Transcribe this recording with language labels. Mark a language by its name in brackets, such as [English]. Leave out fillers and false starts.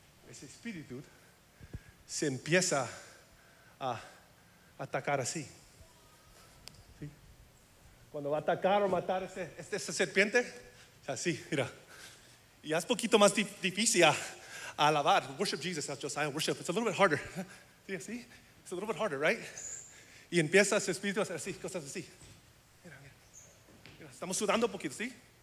[Spanish] Ese espíritu se empieza a atacar así. ¿Sí? Cuando va a atacar o matar esta serpiente, así, mira. Y es un poquito más difícil a alabar. [English] Worship Jesus, that's Josiah. Worship, it's a little bit harder. [Spanish] Sí, así. [English] It's a little bit harder, right? [Spanish] Y empieza su espíritu a hacer así, cosas así. Mira. Estamos sudando un poquito, ¿sí?